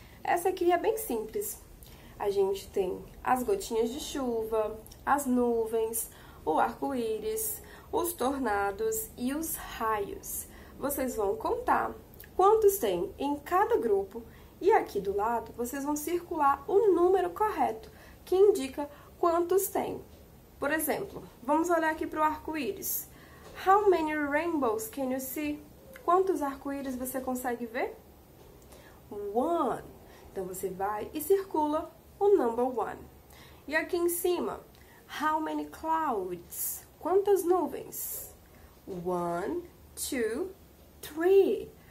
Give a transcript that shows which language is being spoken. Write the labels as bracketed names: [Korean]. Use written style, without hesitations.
[Portuguese] Essa aqui é bem simples. A gente tem as gotinhas de chuva, as nuvens, o arco-íris, os tornados e os raios. Vocês vão contar quantos tem em cada grupo e aqui do lado vocês vão circular o número correto que indica quantos tem. Por exemplo, vamos olhar aqui para o arco-íris. [English] How many rainbows can you see? [Portuguese] Quantos arco-íris você consegue ver? One. Então você vai e circula o number one. E aqui em cima, [English] how many clouds? [Portuguese] Quantas nuvens? One, two, three.